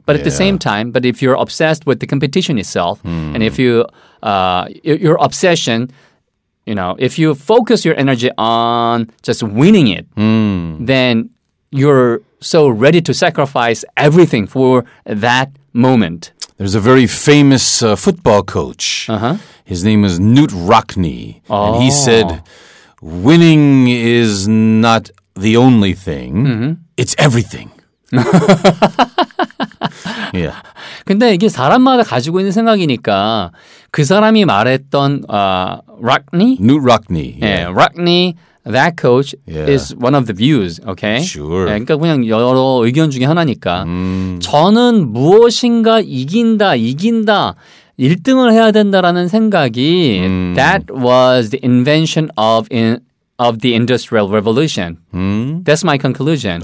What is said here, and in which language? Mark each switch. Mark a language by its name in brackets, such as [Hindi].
[English] But at the same time, but if you're obsessed with the competition itself and if you your obsession, you know, if you focus your energy on just winning it, then you're so ready to sacrifice everything for that moment. There's a very famous football coach. His name is Newt Rockne. And he said, winning is not the only thing. It's everything. [Korean] 근데 이게 사람마다 가지고 있는 생각이니까 그 사람이 말했던 Rockne? [English] Newt Rockne. Rockne. That coach is one of the views, okay? Sure. [Korean] 그러니까 그냥 여러 의견 중에 하나니까. 저는 무엇인가 이긴다, 1등을 해야 된다라는 생각이 [English] that was the invention of the Industrial Revolution. That's my conclusion.